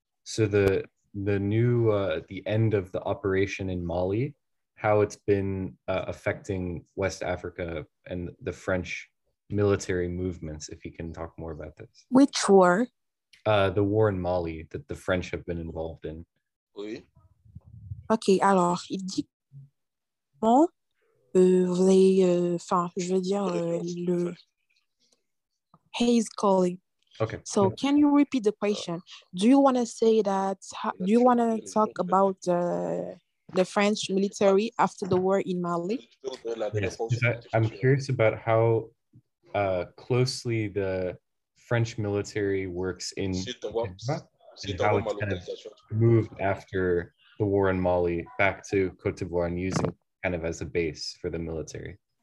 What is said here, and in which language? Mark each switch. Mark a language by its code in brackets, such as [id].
[en] So the end of the operation in Mali, how it's been affecting West Africa and the French military movements, if you can talk more about this. Which war? The war in Mali that the French have been involved in. [fr] Oui. Okay, alors, il dit comment vous avez, enfin, je veux dire, le... [en] Hayes calling. Okay. So yeah. Can you repeat the question? Do you want to say that, do you want to talk about the French military after the war in Mali? Yes. I'm curious about how closely the French military works in and how it's kind of moved after the war in Mali back to Côte d'Ivoire and using kind of as a base for the military.